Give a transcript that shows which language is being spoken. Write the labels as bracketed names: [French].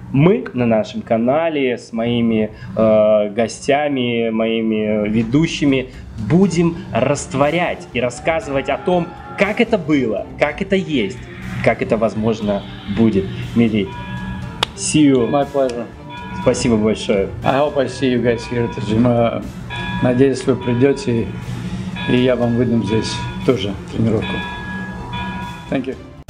[Russian] Мы на нашем канале с моими гостями, моими ведущими будем растворять и рассказывать о том, как это было, как это есть, как это, возможно, будет. [English] Мили, see you. My pleasure. [Russian] Спасибо большое. [English] I hope I see you guys here at the gym. [Russian] Надеюсь, вы придете, и я вам выдам здесь тоже тренировку. [English] Thank you.